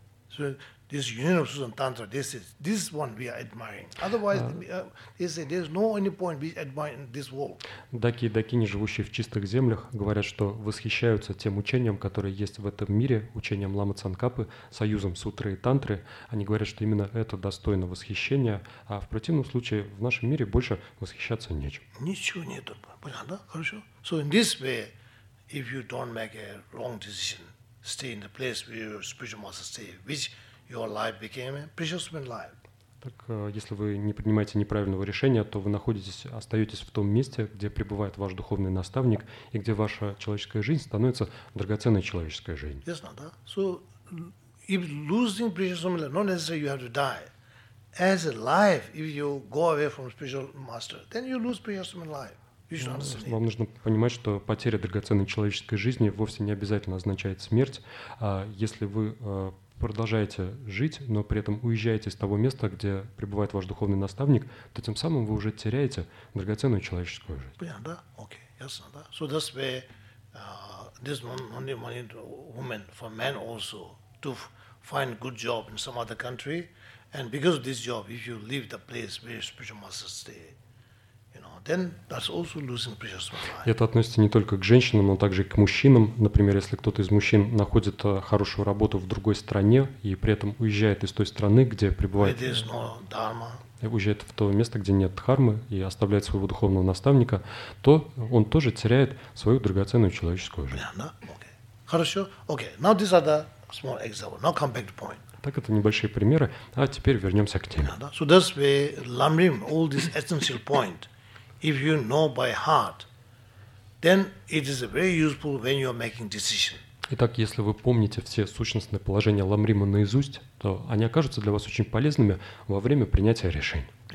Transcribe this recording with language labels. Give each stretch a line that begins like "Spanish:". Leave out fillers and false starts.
English: So this union of Sutra and Tantra, this one we are admiring. Otherwise, they say there's no any point we admire in this world.
Russian: Даки и дакини, живущие в чистых землях, говорят, что восхищаются тем учением, которое есть в этом мире, учением Лама Цанкапы, союзом сутры и тантры. Они говорят, что именно это достойно восхищения, а в противном случае в нашем мире больше восхищаться нечем. Ничего нет. Понятно? Хорошо?
English: So in this way, if you don't make a wrong decision, stay in the place where your spiritual master stay, which your life became a precious one life.
Russian: Так, если вы не принимаете неправильного решения, то вы находитесь, остаетесь в том месте, где пребывает ваш духовный наставник и где ваша человеческая жизнь становится драгоценной человеческой жизнью.
English: Yes, not, да? So, if losing precious one life, not necessarily you have to die. As a life, if you go away from spiritual master, then you lose precious one life.
Russian: Вам нужно понимать, что потеря драгоценной человеческой жизни вовсе не обязательно означает смерть. Если вы продолжаете жить, но при этом уезжаете с того места, где пребывает ваш духовный наставник, то тем самым вы уже теряете драгоценную человеческую жизнь. Понятно, да? Окей, ясно, да?
English: So that's where this money, money woman for men also to find good job in some other country, and because of this job, if you leave the place where spiritual masters stay. Then that's also losing precious life.
Russian: Это относится не только к женщинам, но также и к мужчинам. Например, если кто-то из мужчин находит хорошую работу в другой стране и при этом уезжает из той страны, где пребывает, уезжает в то место, где нет дхармы, и оставляет своего духовного наставника, то он тоже теряет свою драгоценную человеческую жизнь.
English: Okay.
Russian: Хорошо.
English: Okay. Now these are the small example. Now come back to point.
Russian: Так, это небольшие примеры. А теперь вернемся к теме.
English: So that's where lamrim, all this essential point. If you know by heart, then it is very useful when you are making decision.
Russian: Итак, если вы помните все сущностные положения ламрима наизусть, то они окажутся для вас очень полезными во время принятия решений.